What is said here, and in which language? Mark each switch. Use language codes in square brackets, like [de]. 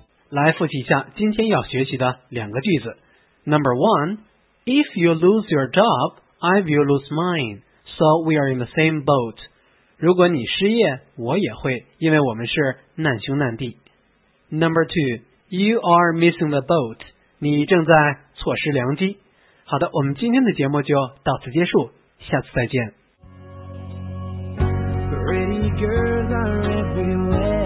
[zh] 来复习一下今天要学习的两个句子。 [en] Number one, if you lose your job, I will lose mine, so we are in the same boat. [zh] 如果你失业，我也会，因为我们是难兄难弟。 [en] Number two, you are missing the boat, [zh] 你正在错失良机。好的，我们今天的节目就到此结束，下次再见。 [en] Pretty girls are everywhere.